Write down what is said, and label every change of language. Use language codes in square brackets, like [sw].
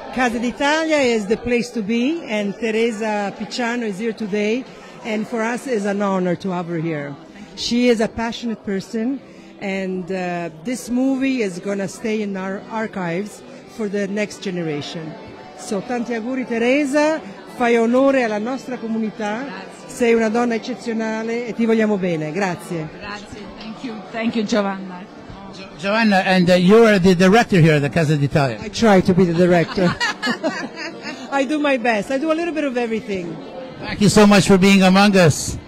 [en] Casa d'Italia is the place to be, and Teresa Picciano is here today, and for us it's an honor to have her here. She is a passionate person, and this movie is going to stay in our archives for the next generation. [it] So tanti auguri, Teresa, fai onore alla nostra comunità, sei una donna eccezionale e ti vogliamo bene, grazie. [en] Grazie, thank you Giovanna. Giovanna, and you are the director here at the Casa d'Italia. I try to be the director. I do my best. I do a little bit of everything. Thank you so much for being among us.